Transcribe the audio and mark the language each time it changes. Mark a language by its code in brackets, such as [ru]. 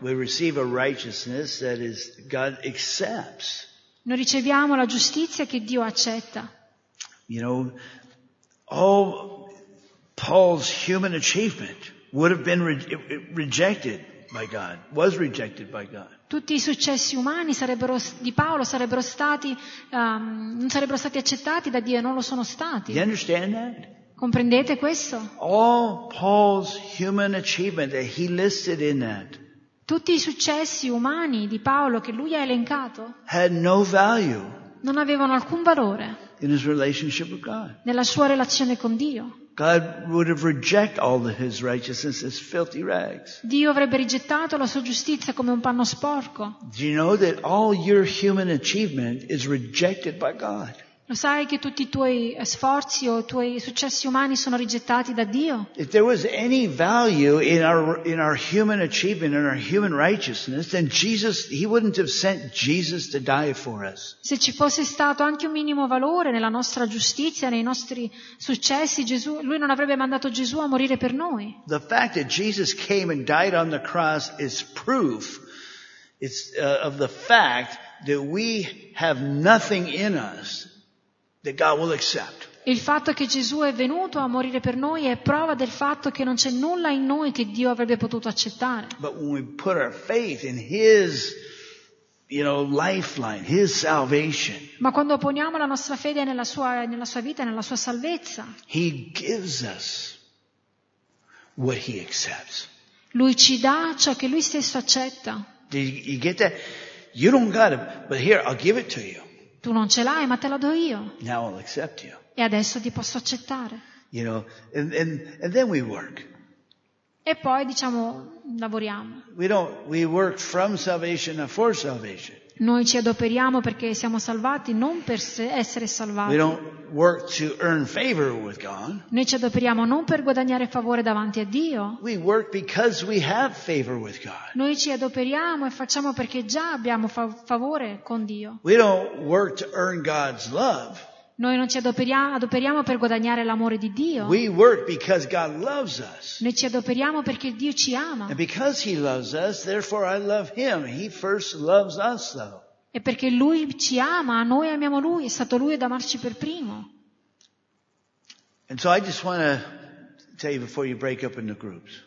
[en] We receive a righteousness that is God accepts. [it] Noi riceviamo la giustizia che Dio accetta. [en] You know, all Paul's human achievement would have been rejected by God, was rejected by God. [it] Tutti i successi umani sarebbero, di Paolo sarebbero stati non sarebbero stati accettati da Dio e non lo sono stati. [en] You understand that? [it] Comprendete questo? [en] All Paul's human achievement that he listed in that. [it] Tutti i successi umani di Paolo che lui ha elencato [en] had no value. [it] Non avevano alcun valore. [en] In his relationship with God. [it] Nella sua relazione con Dio. [en] God would have rejected all of his righteousness as filthy rags. [it] Dio avrebbe rigettato la sua giustizia come un panno sporco. [en] Do you know that all your human achievement is rejected by God? [it] Lo sai che tutti i tuoi sforzi o i tuoi successi umani sono rigettati da Dio? [en] If there was any value in our human achievement and our human righteousness, then Jesus, he wouldn't have sent Jesus to die for us. [it] Se ci fosse stato anche un minimo valore nella nostra giustizia, nei nostri successi, Gesù, lui non avrebbe mandato Gesù a morire per noi. [en] The fact that Jesus came and died on the cross is proof of the fact that we have nothing in us that God will accept. [it] Il fatto che Gesù è venuto a morire per noi è prova del fatto che non c'è nulla in noi che Dio avrebbe potuto accettare. [en] But when we put our faith in His, you know, lifeline, His salvation. [it] Ma quando poniamo la nostra fede nella sua vita, nella sua salvezza. [en] He gives us what He accepts. [it] Lui ci dà ciò che Lui stesso accetta. [en] Did you get that? You don't got it, but here I'll give it to you. [it] Tu non ce l'hai, ma te la do io. [en] Now I'll accept you. [it] E adesso ti posso accettare. [en] You know, and then we work. [it] E poi diciamo lavoriamo. [en] We work from salvation, not for salvation. [it] Noi ci adoperiamo perché siamo salvati, non per essere salvati. [en] We don't work to earn favor with God. [it] Noi ci adoperiamo non per guadagnare favore davanti a Dio. [en] We work because we have favor with God. [it] Noi ci adoperiamo e facciamo perché già abbiamo favore con Dio. [en] We don't work to earn God's love. [it] Noi non ci adoperiamo per guadagnare l'amore di Dio. [en] We work because God loves us. [it] Noi ci adoperiamo perché Dio ci ama. [en] And because He loves us, therefore I love Him. He first loves us, though. [it] E perché Lui ci ama, noi amiamo Lui. È stato Lui ad amarci per primo. [en] And so I just want to tell you before you break up into groups.